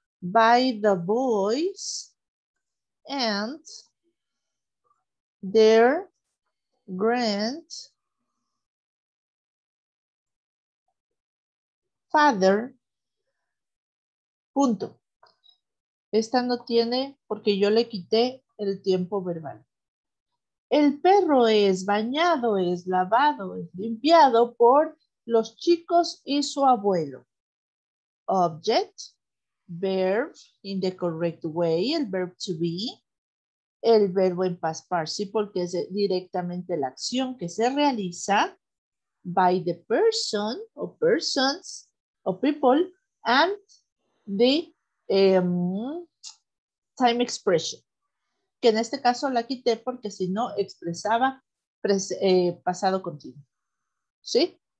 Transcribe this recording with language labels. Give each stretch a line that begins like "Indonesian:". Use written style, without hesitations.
English: By the boys and their grandfather. Punto.
Spanish: Esta no tiene, porque yo le quité el tiempo verbal. El perro es bañado, es lavado, es limpiado por los chicos y su abuelo.
English: Object, verb, in the correct way, el verb to be.
Spanish: El verbo en past participle, porque es directamente la acción que se realiza.
English: By the person, o persons, o people, and the time expression,
Spanish: que en este caso la quité porque si no expresaba pasado continuo. ¿Sí?